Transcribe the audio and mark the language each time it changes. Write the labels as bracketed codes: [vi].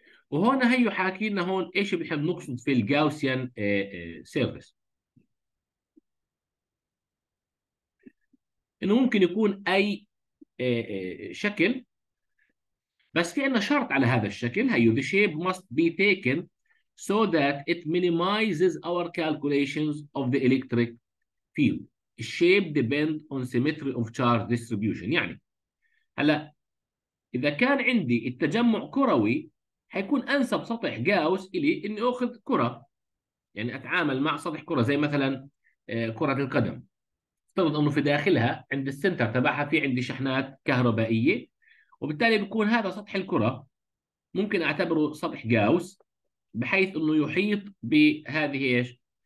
[ar] وهون هيو حاكي لنا هون ايش بنحب نقصد في الجاوسيان سيرفيس، انه ممكن يكون اي شكل، بس في عندنا شرط على هذا الشكل. [en] هيو the shape must be taken so that it minimizes our calculations of the electric field. الشيب depend on symmetry of charge distribution. [ar] يعني هلا اذا كان عندي التجمع كروي حيكون انسب سطح جاوس الي اني اخذ كره، يعني اتعامل مع سطح كره زي مثلا كره القدم. افترض انه في داخلها عند السنتر تبعها في عندي شحنات كهربائيه، وبالتالي بيكون هذا سطح الكرة ممكن اعتبره سطح جاوس، بحيث انه يحيط بهذه ايش